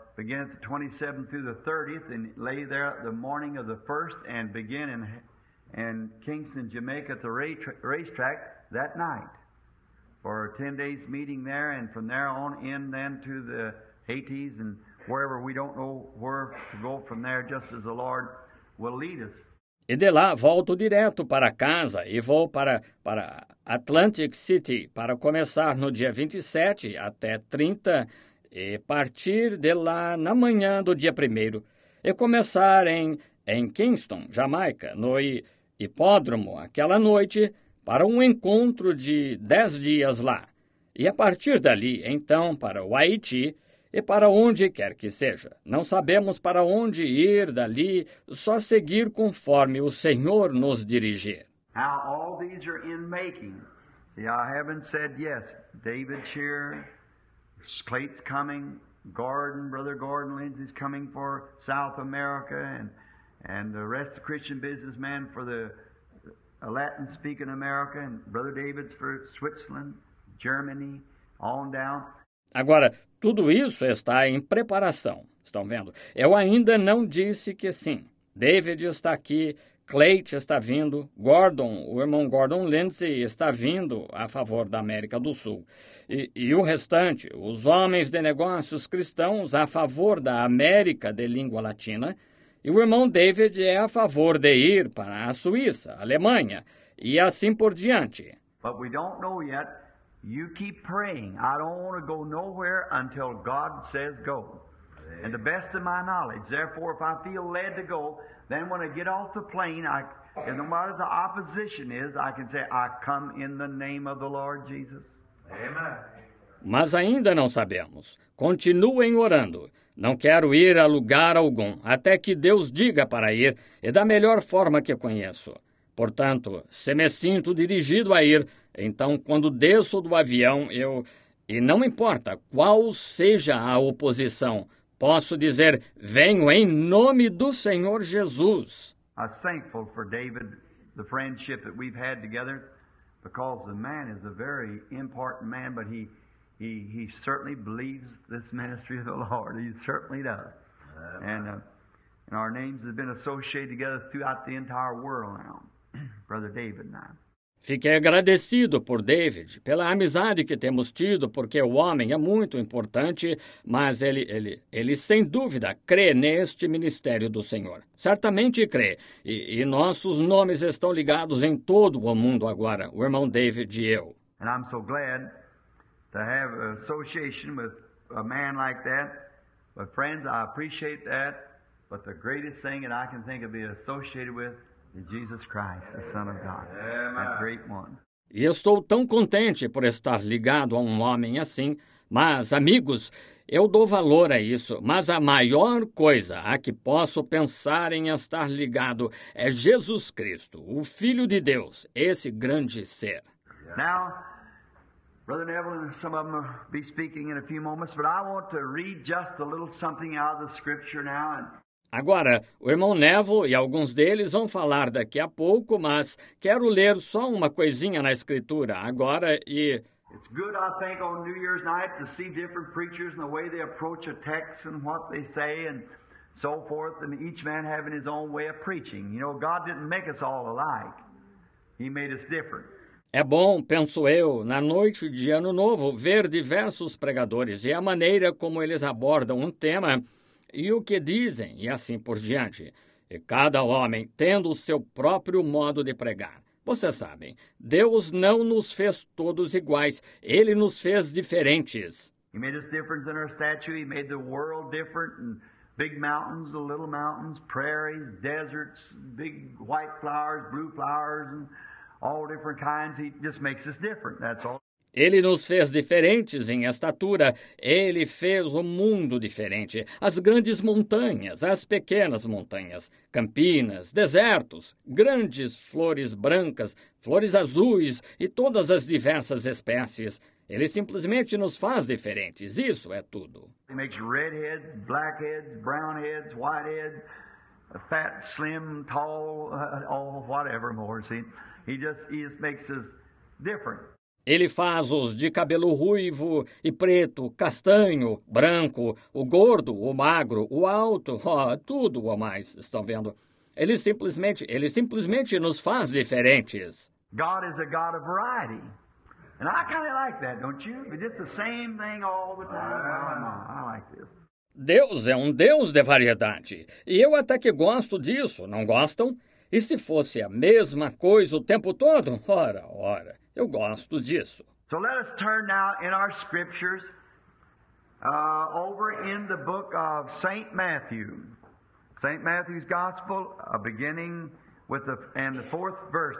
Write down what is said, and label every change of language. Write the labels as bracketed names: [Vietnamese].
[English] Begin at the 27th through the 30th and lay there the morning of the 1st and begin in Kingston, Jamaica at the racetrack that night for a 10-day meeting there and from there on in then to the Haiti's and wherever we don't know where to go from there just as the Lord will lead us. [Portuguese] E de lá volto direto para casa e vou para Atlantic City para começar no dia 27 até 30 e partir de lá na manhã do dia 1º, e começar em Kingston, Jamaica, no hipódromo, aquela noite, para um encontro de 10 dias lá. E a partir dali, então, para o Haiti, e para onde quer que seja. Não sabemos para onde ir dali, só seguir conforme o Senhor nos dirigir. [English] Now, all these are in making. See, I haven't said yes. David Shear. Clayton's coming, Gordon, Brother Gordon Lindsay's coming for South America, and the rest of the Christian businessmen for the Latin-speaking America, and Brother David's for Switzerland, Germany, on down. [Portuguese] Agora, tudo isso está em preparação, estão vendo? Eu ainda não disse que sim. David está aqui, Clayton está vindo, Gordon, o irmão Gordon Lindsay está vindo a favor da América do Sul. E o restante, os homens de negócios cristãos a favor da América de língua latina, e o irmão David é a favor de ir para a Suíça, Alemanha, e assim por diante. [English] But we don't know yet. You keep praying. I don't want to go nowhere until God says go. And the best of my knowledge, therefore, if I feel led to go, then when I get off the plane, and no matter the opposition is, I can say, I come in the name of the Lord Jesus. Amen. [Portuguese] Mas ainda não sabemos. Continuem orando. Não quero ir a lugar algum, até que Deus diga para ir, e da melhor forma que conheço. Portanto, se me sinto dirigido a ir, então quando desço do avião, eu... E não importa qual seja a oposição, posso dizer, venho em nome do Senhor Jesus. [English] I'm thankful for David, the friendship that we've had together, because the man is a very important man, but he certainly believes this ministry of the Lord. He certainly does. Amen. And our names have been associated together throughout the entire world now, Brother David and I. [Portuguese] Fiquei agradecido por David, pela amizade que temos tido, porque o homem é muito importante, mas ele sem dúvida crê neste ministério do Senhor. Certamente crê. E nossos nomes estão ligados em todo o mundo agora, o irmão David e eu. E eu estou tão feliz de ter uma associação com um homem assim. Mas, amigos, eu aprecio isso. Mas a maior coisa que eu posso pensar de ser associado com [English] Jesus Christ, the Son of God, that great one. [Portuguese] E estou tão contente por estar ligado a um homem assim. Mas, amigos, eu dou valor a isso. Mas a maior coisa a que posso pensar em estar ligado é Jesus Cristo, o Filho de Deus, esse grande ser. [English] Now, Brother Neville and some of them will be speaking in a few moments, but I want to read just a little something out of the Scripture now. [Portuguese] Agora, o irmão Neville e alguns deles vão falar daqui a pouco, mas quero ler só uma coisinha na Escritura agora e... [English] It's good, I think, on New Year's night to see different preachers and the way they approach a text and what they say and so forth, and each man having his own way of preaching. You know, God didn't make us all alike. He made us different. [Portuguese] É bom, penso eu, na noite de Ano Novo, ver diversos pregadores e a maneira como eles abordam um tema... E o que dizem, e assim por diante. E cada homem tendo o seu próprio modo de pregar. Vocês sabem, Deus não nos fez todos iguais. Ele nos fez diferentes. [English] He made us different in our stature. He made the world different. And big mountains, the little mountains, prairies, deserts, big white flowers, blue flowers, and all different kinds. He just makes us different, that's all. [Portuguese] Ele nos fez diferentes em estatura, ele fez o mundo diferente. As grandes montanhas, as pequenas montanhas, campinas, desertos, grandes flores brancas, flores azuis e todas as diversas espécies. Ele simplesmente nos faz diferentes, isso é tudo. [English] He makes redheads, blackheads, brownheads, whiteheads, fat, slim, tall, all whatever more. See? He just makes us different. [Portuguese] Ele faz os de cabelo ruivo e preto, castanho, branco, o gordo, o magro, o alto, tudo ou mais, estão vendo? Ele simplesmente nos faz diferentes. [English] God is a God of variety. And I kind of like that, don't you? It's the same thing all the time. I like this. [Portuguese] Deus é um Deus de variedade. E eu até que gosto disso, não gostam? E se fosse a mesma coisa o tempo todo? Ora, ora. Eu gosto disso. [English] So let us turn now in our scriptures over in the book of St. Matthew. St. Matthew's Gospel, beginning with the fourth verse.